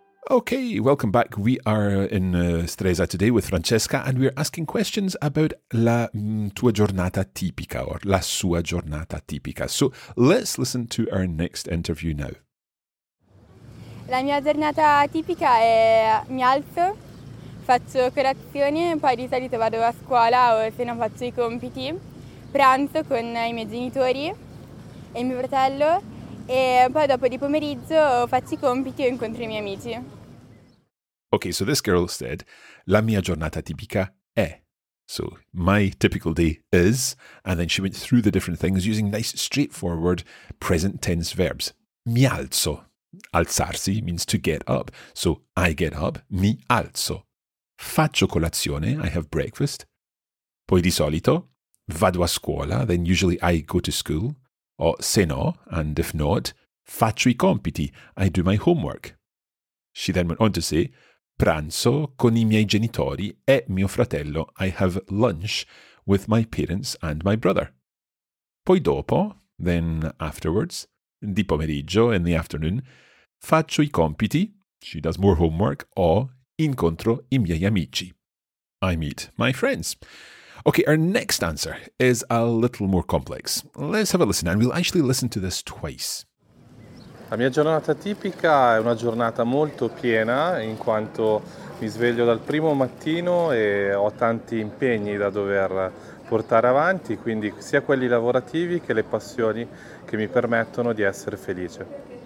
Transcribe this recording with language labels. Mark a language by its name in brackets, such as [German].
[English] Okay, welcome back. We are in Stresa today with Francesca, and we're asking questions about [Italian] la tua giornata tipica, [English] or [Italian] la sua giornata tipica. [English] So let's listen to our next interview now. [Italian] La mia giornata tipica è mi alzo. Faccio colazione, poi di solito vado a scuola o se no faccio i compiti. Pranzo con i miei genitori e mio fratello e poi dopo di pomeriggio faccio i compiti e incontro i miei amici. [English] Okay, so this girl said, [Italian] la mia giornata tipica è. [English] So, my typical day is, and then she went through the different things using nice straightforward present tense verbs. [Italian] Mi alzo. [English] Alzarsi means to get up. So, I get up, [Italian] mi alzo. Faccio colazione, [English] I have breakfast. [Italian] Poi di solito, vado a scuola, [English] then usually I go to school. [Italian] O se no, [English] and if not, [Italian] faccio i compiti, [English] I do my homework. She then went on to say, [Italian] pranzo con i miei genitori e mio fratello, [English] I have lunch with my parents and my brother. [Italian] Poi dopo, [English] then afterwards, [Italian] di pomeriggio, [English] in the afternoon, [Italian] faccio i compiti, [English] she does more homework, [Italian] o incontro i miei amici. [English] I meet my friends. Okay, our next answer is a little more complex. Let's have a listen and we'll actually listen to this twice. [Italian] La mia giornata tipica è una giornata molto piena in quanto mi sveglio dal primo mattino e ho tanti impegni da dover portare avanti, quindi sia quelli lavorativi che le passioni che mi permettono di essere felice.